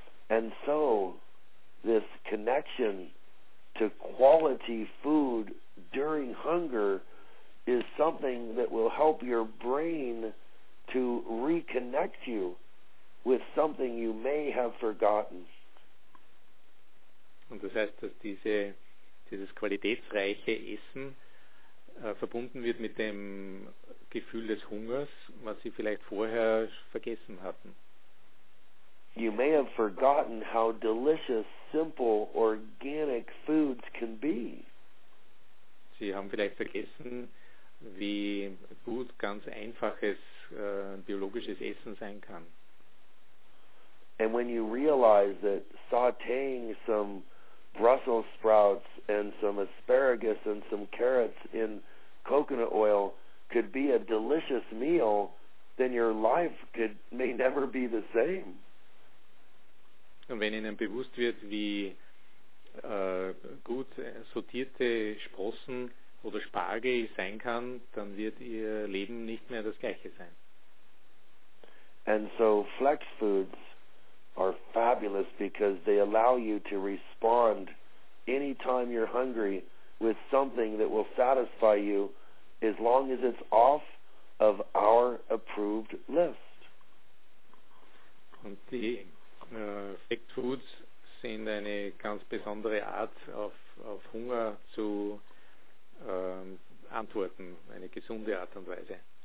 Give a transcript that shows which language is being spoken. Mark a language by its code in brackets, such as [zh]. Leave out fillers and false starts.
[en] And so, this connection to quality food during hunger is something that will help your brain to reconnect you with something you may have forgotten. [de] Und das heißt, dass dieses qualitätsreiche Essen verbunden wird mit dem Gefühl des Hungers, was Sie vielleicht vorher vergessen hatten. [en] You may have forgotten how delicious, simple, organic foods can be. [de] Sie haben vielleicht vergessen, wie gut ganz einfaches biologisches Essen sein kann. [en] And when you realize that sautéing some Brussels sprouts and some asparagus and some carrots in coconut oil could be a delicious meal, then your life may never be the same. [de] Und wenn Ihnen bewusst wird, wie gut sortierte Sprossen oder Spargel sein kann, dann wird Ihr Leben nicht mehr das gleiche sein. [en] And so flex foods are fabulous because they allow you to respond anytime you're hungry with something that will satisfy you as long as it's off of our approved list. [de] Und die Flex foods sind eine ganz besondere Art auf Hunger zu antworten, eine gesunde Art und Weise.